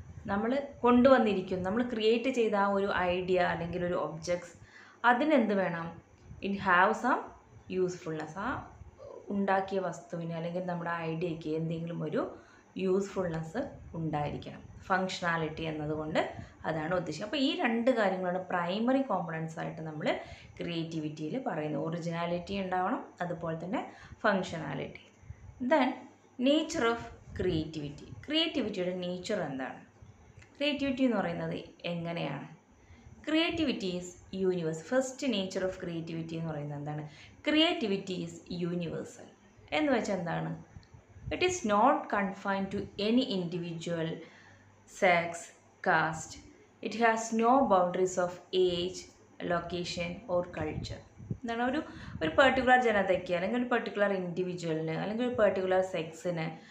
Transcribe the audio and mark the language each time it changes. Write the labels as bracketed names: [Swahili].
[Malayalam] Nammal kondu vannirikkum, nammal create cheytha oru idea allengil oru objects adin endu venam, it have some usefulness. Aa undakiya vastuvine allengil nammude idea ki endengilum oru usefulness ഉണ്ടായിരിക്കണം. Functionality എന്നതുകൊണ്ട് അതാണ് ഉദ്ദേശിക്കുന്നത്. അപ്പോൾ ഈ രണ്ട് കാര്യങ്ങളാണ് primary components ആയിട്ട് നമ്മൾ ക്രിയേറ്റിവിറ്റിയിൽ പറയുന്നത്. ഒറിജിനാലിറ്റി ഉണ്ടാവണം, അതുപോലെ തന്നെ functionality. Then nature of creativity. ക്രിയേറ്റിവിറ്റിയുടെ nature എന്താണ്? ക്രിയേറ്റിവിറ്റി എന്ന് പറയുന്നത് എങ്ങനെയാണ്? Creativity is universe. First nature of creativity എന്ന് പറയുന്നത് എന്താണ്? Creativity is universal. എന്ന് വെച്ചാൽ എന്താണ്? [English] It is not confined to any individual, sex, caste. It has no boundaries of age, location or culture. [Malayalam] എന്താണ് ഒരു ഒരു പെർട്ടിക്കുലർ ജനതയ്ക്ക് അല്ലെങ്കിൽ ഒരു പെർട്ടിക്കുലർ ഇൻഡിവിജ്വലിന് അല്ലെങ്കിൽ ഒരു പെർട്ടിക്കുലർ സെക്സിന്